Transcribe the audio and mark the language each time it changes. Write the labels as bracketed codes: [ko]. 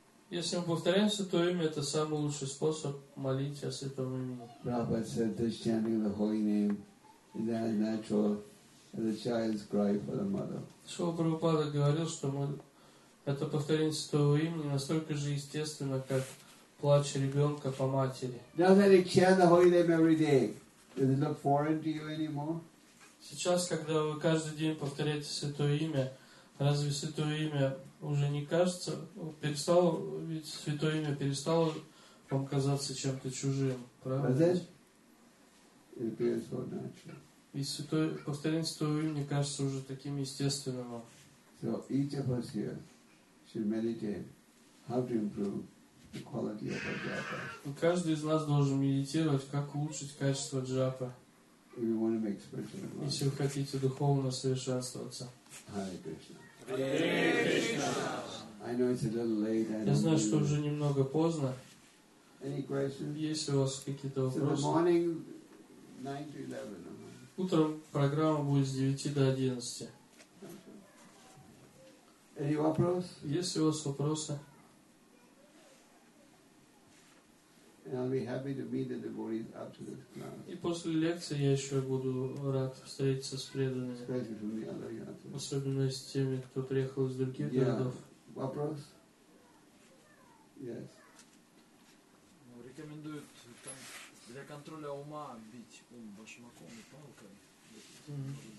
[ru] Если мы повторяем святое имя, это самый лучший способ молить о святом имени. Прабхупада сказал, что [en] chanting the holy name is as natural as a child's cry for the mother. [ru] Шрила Прабхупада говорил, что это повторение святого имени настолько же естественно, как плач ребенка по матери. [en] Now that you chant the holy name every day, does it look foreign to you anymore? [ru] Сейчас, когда вы каждый день повторяете святое имя, разве святое имя уже не кажется, перестало, ведь святое имя перестало вам казаться чем-то чужим, правда? [en] It appears so natural. [ru] И святое, повторение святого имени кажется уже таким естественным. [en] So each of us here should meditate how to improve the quality of our japa. [ru] И каждый из нас должен медитировать, как улучшить качество джапа. [en] If you want to make spiritual growth. [ru] Если вы хотите духовно совершенствоваться. [en] Hare Krishna. Hare Krishna. I know it's a little late. [ru] Я знаю, что уже немного поздно. [en] Any questions? [ru] Есть у вас какие-то вопросы? [en] So the morning 9 to 11. [ru] Утром программа будет с 9 до 11. [en] Any [ru] вопрос? Есть ли у вас вопросы? [en] And I'll be happy to meet the devotees up to this class. [ru] И после лекции я еще буду рад встретиться с преданными. Особенно с теми, кто приехал из других городов. Вопрос? [en] Yes. [ru] Рекомендуют там. Для контроля ума бить ум башмаком и палками.